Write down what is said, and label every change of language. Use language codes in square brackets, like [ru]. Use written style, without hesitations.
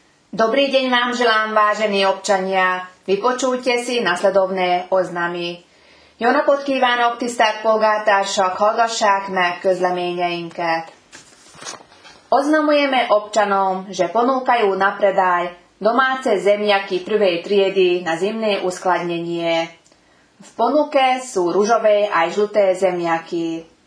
[sk] Dobrý deň vám želám, vážení občania. Vypočujte si nasledovné oznámy. [hu] Jó napot kívánok, tisztelt polgártársak, hallgassák meg közleményeinket. [sk] Oznamujeme občanom, že ponúkajú na predaj domáce zemiaky prvej triedy na zimné uskladnenie. V ponuke sú ružové aj žlté zemiaky.